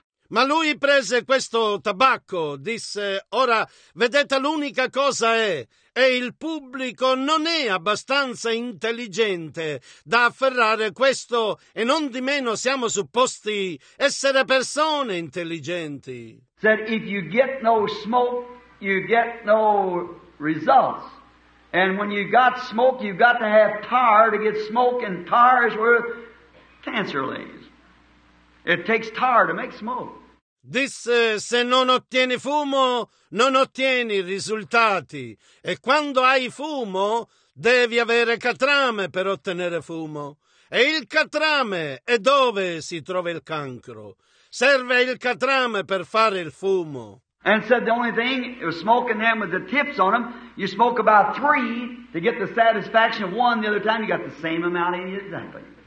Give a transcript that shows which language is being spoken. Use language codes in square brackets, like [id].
[it] Ma lui prese questo tabacco, disse, ora, vedete, l'unica cosa è il pubblico non è abbastanza intelligente da afferrare questo e non di meno siamo supposti essere persone intelligenti. [en] Said, if you get no smoke, you get no results. And when you got smoke, you got to have tar to get smoke, and tar is where cancer lays. It takes tar to make smoke. [it] Disse, se non ottieni fumo, non ottieni risultati. E quando hai fumo, devi avere catrame per ottenere fumo. E il catrame è dove si trova il cancro. Serve il catrame per fare il fumo. [en] And said the only thing, was smoking them with the tips on them, you smoke about three to get the satisfaction of one, the other time you got the same amount in you exactly.